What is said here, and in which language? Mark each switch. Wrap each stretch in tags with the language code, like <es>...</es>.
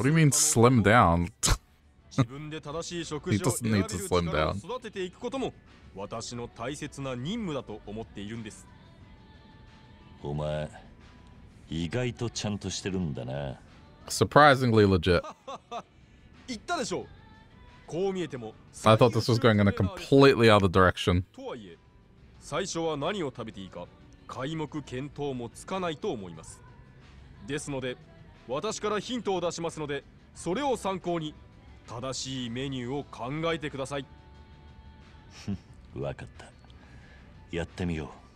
<ja>する。</ja> <en>What do you mean slim down?</en> <ja>自分で正しい食事を選べる力を育てていくことも私の大切な任務だと思っているんです。お前意外とちゃんとしてるんだな。</ja> <en>Surprisingly legit.</en> <ja>言ったでしょう。こう見えても。</ja> <en>I thought this was going in a completely other direction.</en> <ja>とはいえ、最初は何を食べていいか皆目見当もつかないと思います。ですので、私からヒントを出しますので、それを参考に正しいメニューを考えてください。わかった。やってみよう。</ja>